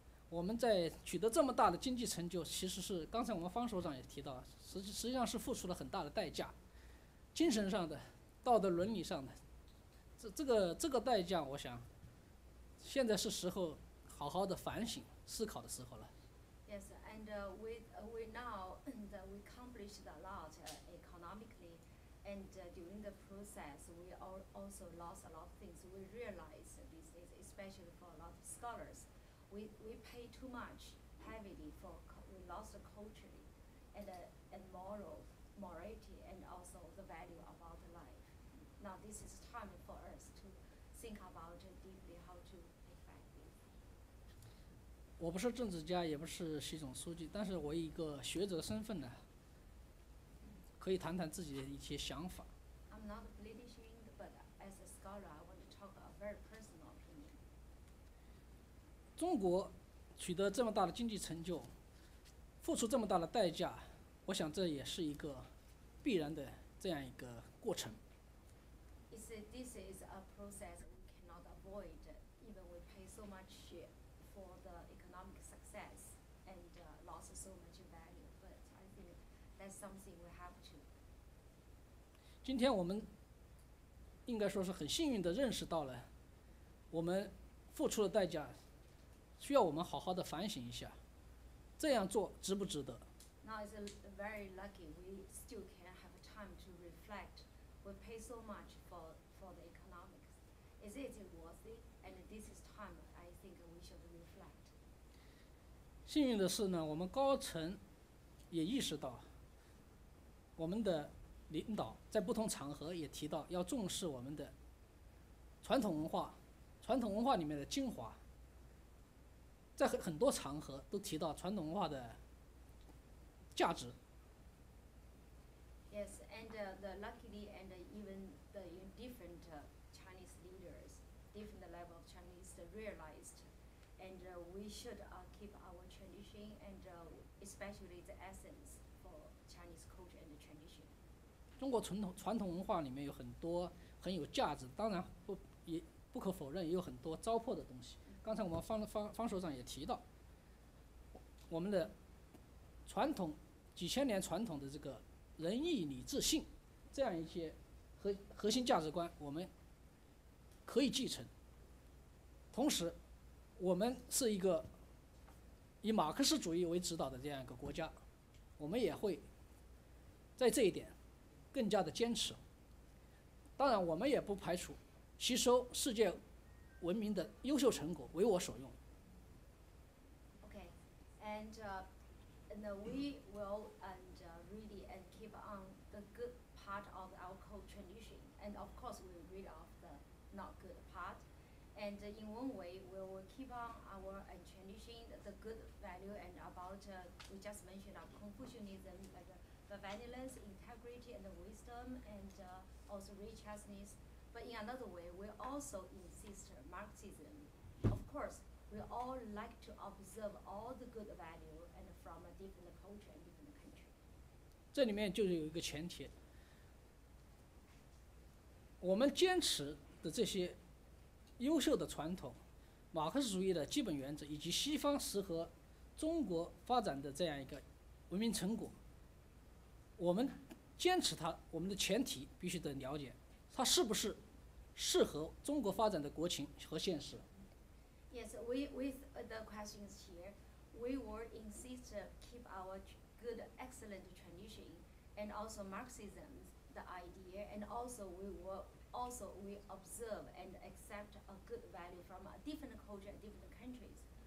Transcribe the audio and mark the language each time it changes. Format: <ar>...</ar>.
<zh>我们在取得这么大的经济成就，其实是刚才我们方所长也提到，实际上是付出了很大的代价，精神上的、道德伦理上的，这个代价，我想现在是时候好好的反省思考的时候了。</zh> <en>Yes, and we now that we accomplished a lot economically, and during the process we also lost a lot of things. We realized this is especially for a lot of scholars. We pay too much heavily for we lost the culture and morality and also the value of our life. Now this is time for us to think about deeply how to affect it.</en> <zh>我不是政治家，也不是习总书记，但是我以一个学者身份呢，可以谈谈自己的一些想法。</zh> <en>I'm not a politician, but as a scholar, I want to talk a very personal.</en> <zh>中国取得这么大的经济成就，付出这么大的代价，我想这也是一个必然的这样一个过程。</zh> <en>This is a process we cannot avoid, even we pay so much for the economic success and lost so much value, but I think that's something we have to.</en> <zh>今天我们应该说是很幸运地认识到了我们付出的代价需要我们好好的反省一下，这样做值不值得？</zh> <en>Now it's very lucky we still can have time to reflect. We pay so much for the economics. Is it worthy? And this is time I think we should reflect.</en> <zh>幸运的是呢，我们高层也意识到，我们的领导在不同场合也提到要重视我们的传统文化，传统文化里面的精华。在很多场合都提到传统文化的价值。</zh> <en>Yes, and the luckily and even the different Chinese leaders, different level of Chinese realized, and we should keep our tradition and especially the essence for Chinese culture and tradition.</en> <zh>中国传统文化里面有很多很有价值，当然不可否认也有很多糟粕的东西。刚才我们方所长也提到，我们的传统几千年传统的这个仁义礼智信这样一些核心价值观，我们可以继承。同时，我们是一个以马克思主义为指导的这样一个国家，我们也会在这一点更加的坚持。当然，我们也不排除吸收世界。文明的优秀成果为我所用。</zh> <en>Okay, and we will and really and keep on the good part of our culture tradition, and of course we will rid of the not good part. And in one way, we will keep on our tradition, the good value, and about we just mentioned our Confucianism, like the values, integrity, and the wisdom, and also righteousness. But in another way, we also insist Marxism. Of course, we all like to observe all the good value and from a different culture and different country.</en> <zh>这里面就是有一个前提，我们坚持的这些优秀的传统、马克思主义的基本原则以及西方适合中国发展的这样一个文明成果，我们坚持它，我们的前提必须得了解它是不是。适合中国发展的国情和现实。</zh> <en>Yes, we with the questions here, we will insist to keep our good, excellent tradition, and also Marxism, the idea, and also we observe and accept a good value from a different culture, different countries.</en>